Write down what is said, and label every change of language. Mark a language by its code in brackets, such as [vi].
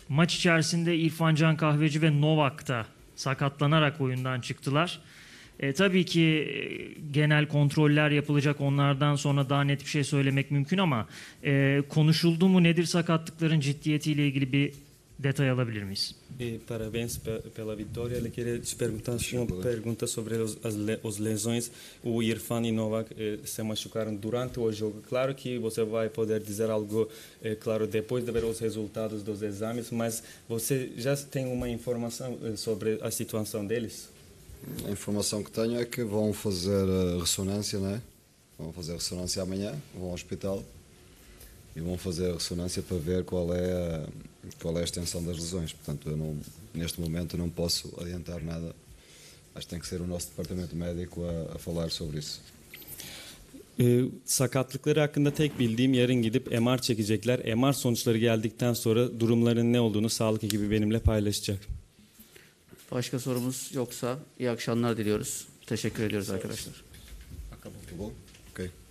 [tr] Maç içerisinde İrfan Can Kahveci ve Novak da sakatlanarak oyundan çıktılar. Tabii ki genel kontroller yapılacak, onlardan sonra daha net bir şey söylemek mümkün ama konuşuldu mu, nedir sakatlıkların ciddiyetiyle ilgili bir detay alabilir miyiz? [pt] Parabéns pela vitória. [es] Le quería [pt] perguntar uma pergunta sobre as lesões. O Irfan e Novak se machucaram durante o jogo. Claro que você vai poder dizer algo, claro, depois de ver os resultados dos exames, mas você já tem uma informação sobre a situação deles? A informação que tenho é que vão fazer ressonância, né? Vão fazer ressonância amanhã, vão ao hospital e vão fazer a ressonância para ver qual é a extensão das lesões. Portanto, eu não, neste momento não posso adiantar nada. Acho que tem que ser o nosso departamento médico a falar sobre isso. [tr] Sakatlıkları hakkında tek bildiğim, yarın gidip MR çekecekler. MR sonuçları geldikten sonra durumların ne olduğunu sağlık ekibi benimle paylaşacak. Başka sorumuz yoksa iyi akşamlar diliyoruz. Teşekkür ediyoruz arkadaşlar. [en] Okay.